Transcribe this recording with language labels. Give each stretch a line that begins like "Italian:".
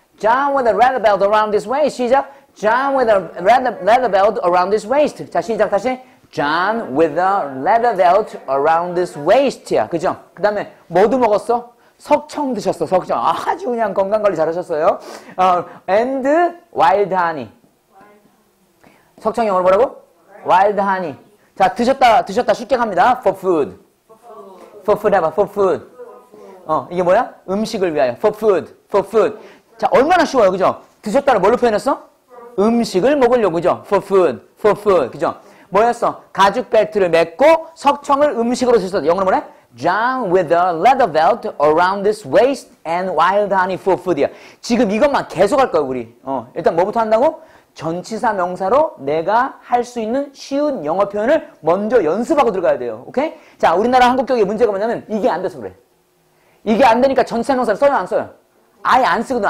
English: John with a leather belt around his waist.
Korean: 시작.
English: John with a leather belt around his waist.
Korean: 자, 시작 다시.
English: John with a leather belt around his waist야.
Korean: 그죠? 그 다음에 뭐도 먹었어? 석청 드셨어. 석청. 아주 그냥 건강 관리 잘하셨어요.
English: And wild honey.
Korean: 석청 영어로 뭐라고?
English: Wild honey.
Korean: 자, 드셨다 쉽게 갑니다.
English: For food. For food
Korean: 해봐. For food. 이게 뭐야? 음식을 위하여. For food. For food. 자, 얼마나 쉬워요. 그죠? 드셨다를 뭘로 표현했어? 음식을 먹으려고. 그죠?
English: For food. For food.
Korean: 그죠? 뭐였어? 가죽 벨트를 메고 석청을 음식으로 드셨어. 영어로 뭐래?
English: John with a leather belt around his waist and wild honey for food이야.
Korean: 지금 이것만 계속 할 거야, 우리. 일단 뭐부터 한다고? 전치사 명사로 내가 할 수 있는 쉬운 영어 표현을 먼저 연습하고 들어가야 돼요. 오케이? 자, 우리나라 한국교육의 문제가 뭐냐면 이게 안 돼서 그래. 이게 안 되니까 전치사 명사를 써요, 안 써요? 아예 안 쓰거든.